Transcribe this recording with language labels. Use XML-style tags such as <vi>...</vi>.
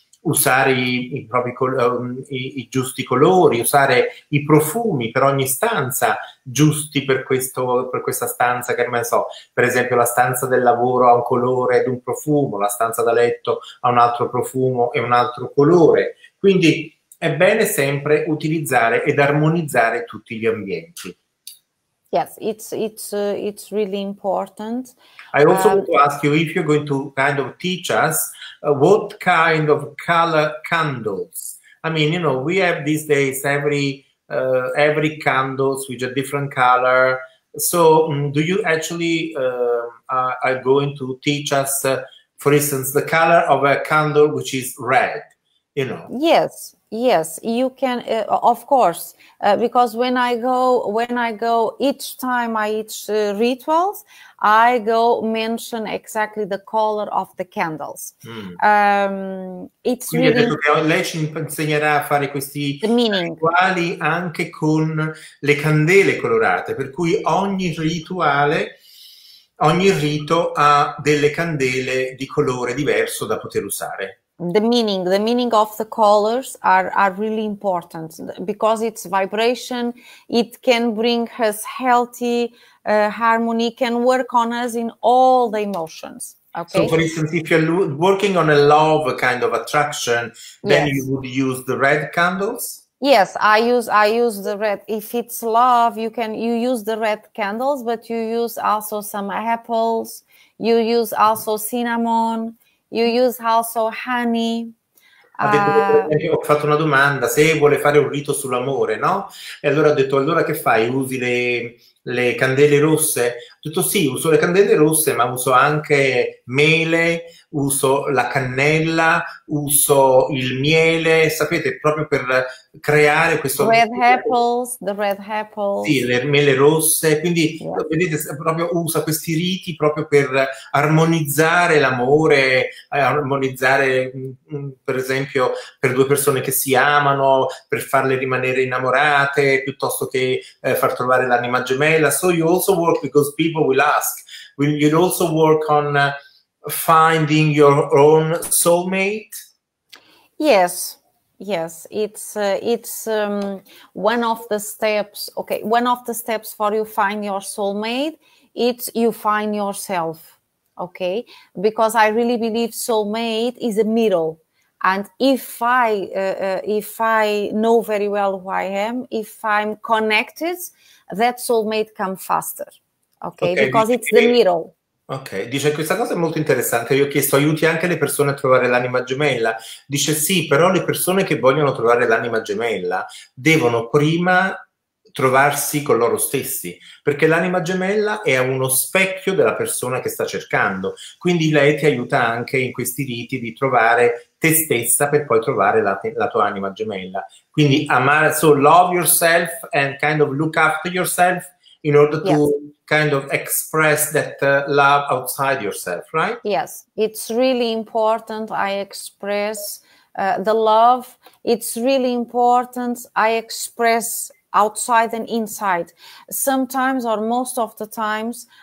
<it>Usare i giusti colori, usare i profumi per ogni stanza giusti per questa stanza, che non so, per esempio la stanza del lavoro ha un colore ed un profumo, la stanza da letto ha un altro profumo e un altro colore. Quindi è bene sempre utilizzare ed armonizzare tutti gli ambienti.</it> <en>Yes, it's really important. I also want to ask you if you're going to kind of teach us what kind of color candles. I mean, you know, we have these days every candles with a different color. So do you actually are going to teach us, for instance, the color of a candle which is red, you know? Yes. Yes, you can, of course, because when I go each time I each rituals, I go mention exactly the color of the candles. Mm. It's</en> <it>quindi</it> <en>really</en> <it>detto che lei ci insegnerà a fare questi</it> <en>meaning.</en> <it>Rituali anche con le candele colorate, per cui ogni rito ha delle candele di colore diverso da poter usare.</it> <en>The meaning of the colors are really important, because it's vibration, it can bring us healthy harmony, can work on us in all the emotions. Okay? So for instance, if you're working on a love kind of attraction, then yes, you would use the red candles? Yes, I use the red. If it's love, you use the red candles, but you use also some apples, you use also cinnamon. You use also honey.</en> <it>Ho fatto una domanda, se vuole fare un rito sull'amore, no? E allora ha detto, allora che fai? Usi le candele rosse? Ho detto, sì, uso le candele rosse, ma uso anche mele, uso la cannella, uso il miele, sapete, proprio per creare questo...</it> <en>The red apples.</en> <it>Sì, le mele rosse, quindi yeah, vedete, proprio usa questi riti proprio per armonizzare l'amore, armonizzare, per esempio, per due persone che si amano, per farle rimanere innamorate, piuttosto che far trovare l'anima gemella.</it> <en>So you also work, because people will ask, will you also work on... finding your own soulmate? Yes, it's one of the steps. Okay, one of the steps for you find your soulmate, it's you find yourself. Okay, because I really believe soulmate is a middle, and if I know very well who I am, if I'm connected, that soulmate come faster. Okay, because it's the middle.</en> <it>Ok, dice questa cosa è molto interessante, io ho chiesto aiuti anche le persone a trovare l'anima gemella, dice sì, però le persone che vogliono trovare l'anima gemella devono prima trovarsi con loro stessi, perché l'anima gemella è uno specchio della persona che sta cercando, quindi lei ti aiuta anche in questi riti di trovare te stessa per poi trovare la tua anima gemella, quindi amare,</it> <en>so love yourself and kind of look after yourself in order to... Yes. Kind of express that love outside yourself, right? Yes, it's really important I express the love. It's really important I express outside and inside. Sometimes, or most of the times,</en>